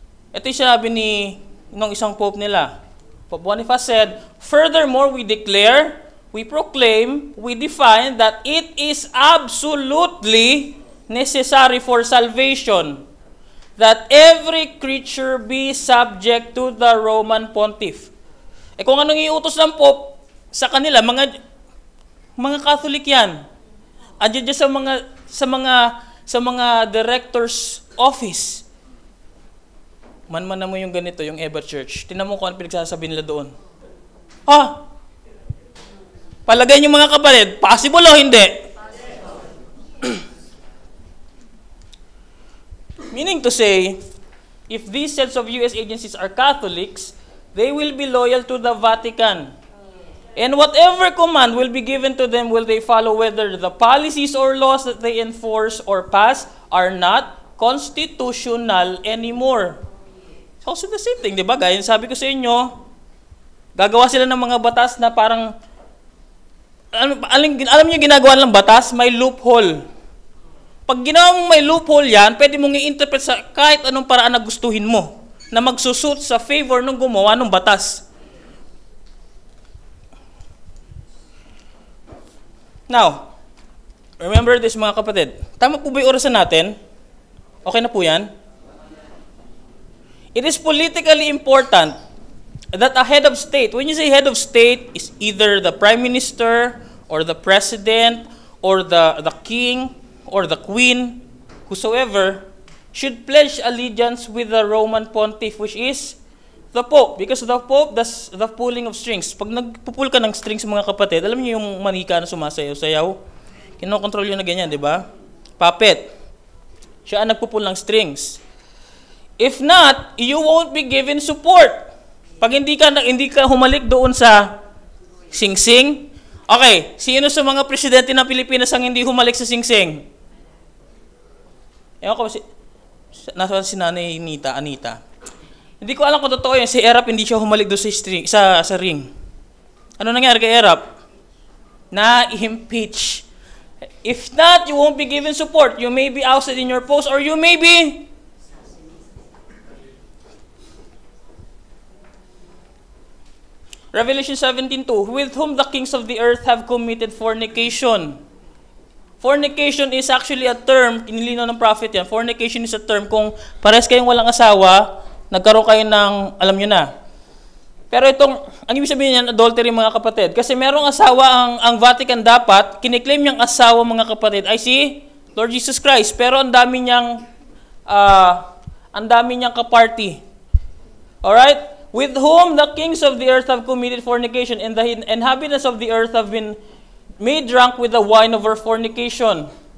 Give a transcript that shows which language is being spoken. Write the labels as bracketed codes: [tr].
[tl] Ito yung sinabi ni nung isang pope nila. [en] Pope Boniface said, furthermore, we declare, we proclaim, we define that it is absolutely necessary for salvation that every creature be subject to the Roman pontiff. [tl] Eh kung anong iutos ng pope sa kanila, mga Catholic yan. Adyan dyan sa mga director's office. Manmanan mo yung ganito, yung Ever Church. Tinan mo kung ano pinagsasabi nila doon. Ha? Ah, palagay niyo mga kapatid, possible o hindi? [en] Meaning to say, if these sets of U.S. agencies are Catholics, they will be loyal to the Vatican. And whatever command will be given to them, will they follow whether the policies or laws that they enforce or pass are not constitutional anymore. It's also the same thing, [tl] di ba? Gaya sabi ko sa inyo, gagawa sila ng mga batas na parang, alam niyo ginagawa ng batas? May loophole. Pag ginawa mong may loophole yan, pwede mong i-interpret sa kahit anong paraan na gustuhin mo na magsusuit sa favor ng gumawa ng batas. [en] Now, remember this [tl] mga kapatid. Tama po ba yung orasan natin? Okay na po yan? [en] It is politically important that a head of state, when you say head of state, is either the prime minister or the president or the king or the queen, whosoever, should pledge allegiance with the Roman pontiff, which is the Pope. Because the Pope does the pulling of strings. [tl] Pag nagpupul ka ng strings, mga kapatid, alam niyo yung manika na sumasayaw-sayaw? Kinokontrol yun na ganyan, di ba? Puppet. Siya ang nagpupul ng strings. [en] If not, you won't be given support. [tl] Pag hindi ka humalik doon sa sing-sing, okay, sino sa mga presidente ng Pilipinas ang hindi humalik sa sing-sing? Ewan ko, nasa nanay Anita, Anita. Hindi ko alam kung totoo yun, si Erap hindi siya humalik doon sa ring. Ano nangyari kay Erap? Na-impeach. [en] If not, you won't be given support. You may be ousted in your post or you may be... Revelation 17:2, with whom the kings of the earth have committed fornication. Fornication is actually a term, [tl] inilino ng prophet yan, fornication is a term kung pares kayong walang asawa, nagkaroon kayo ng, alam nyo na. Pero itong, ang ibig sabihin yan, adultery mga kapatid. Kasi merong asawa ang Vatican dapat, kiniklaim yung asawa mga kapatid ay si Lord Jesus Christ. Pero ang dami niyang kaparty. [en] Alright? With whom the kings of the earth have committed fornication and the inhabitants of the earth have been made drunk with the wine of her fornication.